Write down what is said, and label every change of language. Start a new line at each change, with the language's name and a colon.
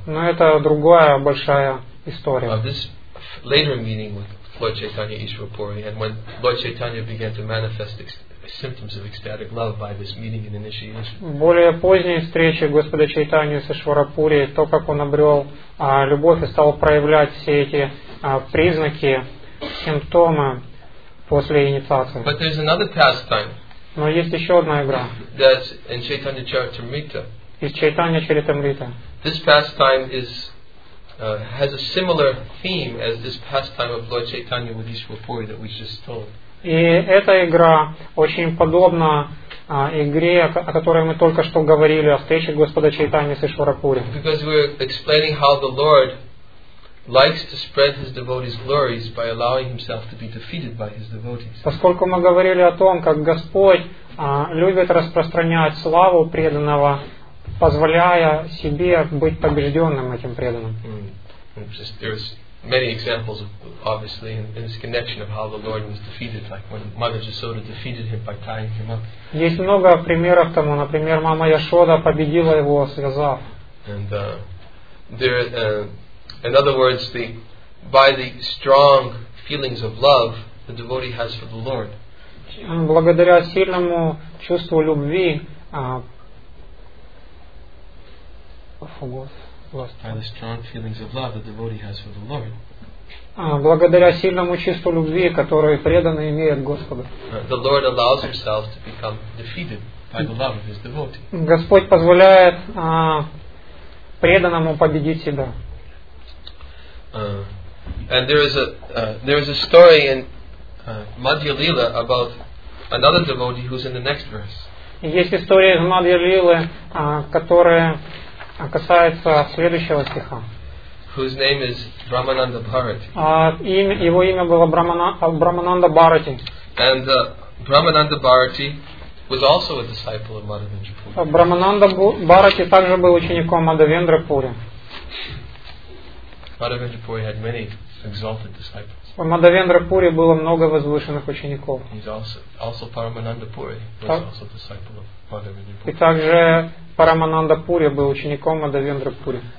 Russian: Но это другая большая история.
English: This later meeting with Lord Chaitanya Ishwara Puri, and when Lord Chaitanya began to manifest symptoms of ecstatic love by this meeting and initiation.
Russian: Более поздние встречи Господа Чайтанья с Ишвара Пури, то как он обрел любовь и стал проявлять все эти признаки, симптомы после инициации.
English: But there's another pastime.
Russian: Но есть еще одна игра.
English: That's in Chaitanya Charitamrita.
Russian: Из Чайтанья Чаритамрита.
English: This pastime has a similar theme as this pastime of Lord Chaitanya with Ishwara Puri that we just told.
Russian: И эта игра очень подобна игре, о которой мы только что говорили, о встрече Господа Чайтанья с Ишвара Пури.
English: Because we're explaining how the Lord likes to spread his devotees' glories by allowing himself to be defeated by his devotees.
Russian: Поскольку мы говорили о том, как Господь любит распространять славу преданного, позволяя себе быть побежденным этим преданным.
English: Mm. There's many examples, obviously, in this connection of how the Lord was defeated, like when Mother Yashoda defeated him by tying him up.
Russian: Есть много примеров тому. Например, мама Яшода победила его, связав.
English: And there, in other words, the by the strong feelings of love the devotee has for the Lord.
Russian: Благодаря сильному чувству любви.
English: By the strong feelings of love the devotee has for the Lord.
Russian: Благодаря сильному чувству любви, которое преданный имеет Господу.
English: The Lord allows himself to become defeated by the love of his devotee.
Russian: Господь позволяет преданному победить себя.
English: And there is a story in Madhya Lila about another devotee who's in the next verse.
Russian: Есть история из Мадья Лилы, которая касается следующего стиха.
English: Whose name is Brahmananda Bharati.
Russian: Его имя было Брамананда Бхарати.
English: And Brahmananda Bharati was also a disciple of Madhavendra Puri.
Russian: Брамананда Бхарати также был учеником Мадхавендра Пури.
English: Madhavendra Puri had many exalted disciples.
Russian: У Мадхавендра Пури было много возвышенных учеников.
English: Also Парамананда Пури was also a disciple of Мадхавендра Пури.
Russian: И также Парамананда Пури был учеником Мадхавендра Пури.